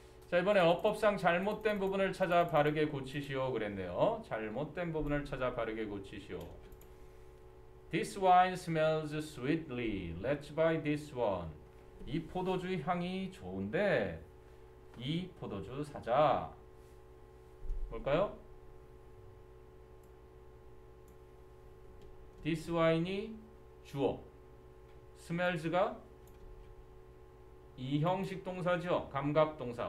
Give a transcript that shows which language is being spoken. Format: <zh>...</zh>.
<ko>자, 이번에 어법상 잘못된 부분을 찾아 바르게 고치시오 그랬네요. 잘못된 부분을 찾아 바르게 고치시오.</ko> <en>This wine smells sweetly. Let's buy this one.</en> <ko>이 포도주 향이 좋은데 이 포도주 사자. 뭘까요? This wine이 주어. Smells가 이 형식 동사죠. 감각 동사.</ko>